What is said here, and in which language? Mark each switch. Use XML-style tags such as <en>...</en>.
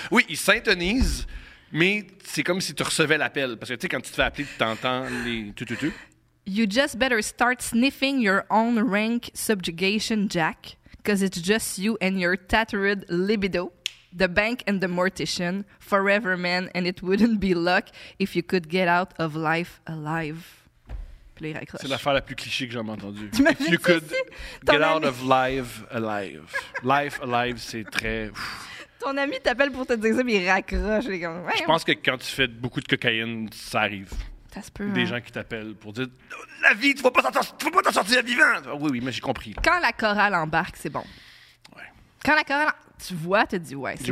<fr>Oui, il s'intonise, mais c'est comme si tu recevais l'appel. Parce que tu sais, quand tu te fais appeler, tu entends les tututu.</fr> <en>You just better start sniffing your own rank subjugation, Jack, because it's just you and your tattered libido. The bank and the mortician, forever man, and it wouldn't be luck if you could get out of life alive.</en> <fr>Puis là, il raccroche. C'est l'affaire la plus clichée que j'ai jamais entendue. Tu m'as</fr> <en>if you could get out of life alive. Life alive,</en> <fr>c'est très... Ton ami t'appelle pour te dire ça, mais il raccroche. Il comme... Je pense que quand tu fais beaucoup de cocaïne, ça arrive. Ça se peut, des hein. gens qui t'appellent pour dire « La vie, tu vas pas t'en sortir vivant! » Oui, oui, mais j'ai compris. Là. Quand la chorale embarque, c'est bon. Ouais. Quand la chorale... Tu vois, t'as dit « Ouais, c'est</fr>